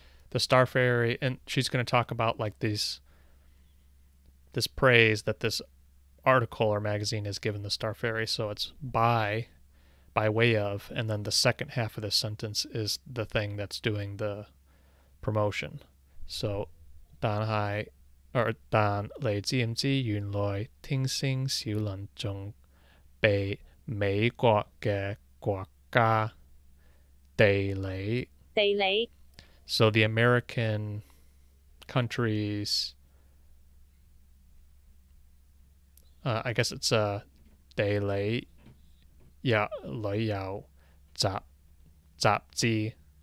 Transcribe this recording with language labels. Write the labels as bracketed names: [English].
[English] The Star Ferry, and she's going to talk about like this praise that this article or magazine has given the Star Ferry. So it's by way of, and then the second half of the sentence is the thing that's doing the promotion. [Cantonese] So, 但係or 但你知唔知原來天星小輪仲被美國嘅國家地理。 [English] So the American countries, I guess it's a daily, yeah, [Cantonese] 旅遊雜誌.